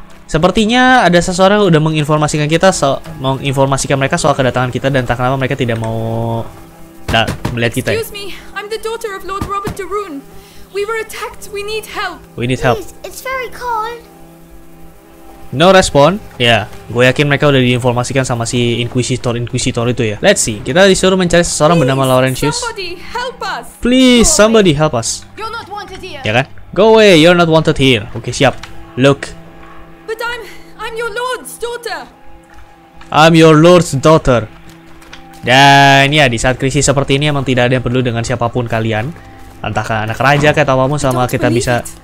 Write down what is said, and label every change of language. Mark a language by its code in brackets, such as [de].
[id] Sepertinya ada seseorang udah menginformasikan kita, menginformasikan mereka soal kedatangan kita dan tak kenapa mereka tidak mau melihat kita. [en] Excuse me, I'm the daughter of Lord Robert Darun. We were attacked, we need help. We need help. It's very cold. [id] No respon, ya. Yeah. Gue yakin mereka udah diinformasikan sama si inquisitor itu ya. [en] Let's see. [id] Kita disuruh mencari seseorang bernama Laurentius. [en] Please, somebody help us. You're not wanted here. [id] Ya kan? [en] Go away. You're not wanted here. Oke, okay, siap. Look. But I'm your lord's daughter. I'm your lord's daughter. [id] Dan ya, di saat krisis seperti ini emang tidak ada yang perlu dengan siapapun kalian. Entahkah anak raja atau apapun, selama kita bisa.